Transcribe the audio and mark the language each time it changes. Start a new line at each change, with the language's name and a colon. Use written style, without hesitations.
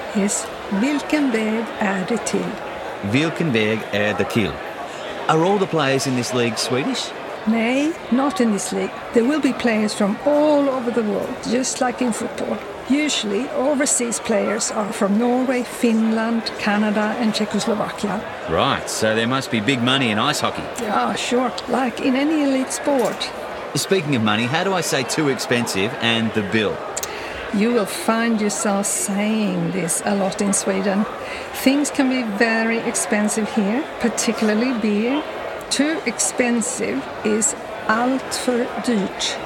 Swedish: is Vilken väg är det till? Vilken väg är det till?
English: Are all the players in this league Swedish? Nej, not in this league. There will be players from all over the world, just like in football. Usually, overseas players are from Norway, Finland, Canada and Czechoslovakia. Right, so there must be big money in ice hockey. Yeah, sure, like in any elite sport. Speaking of money, how do I say too expensive and the bill? You will find yourself saying this a lot in Sweden. Things can be very expensive here, particularly beer. Too expensive is
Swedish: allt för dyrt.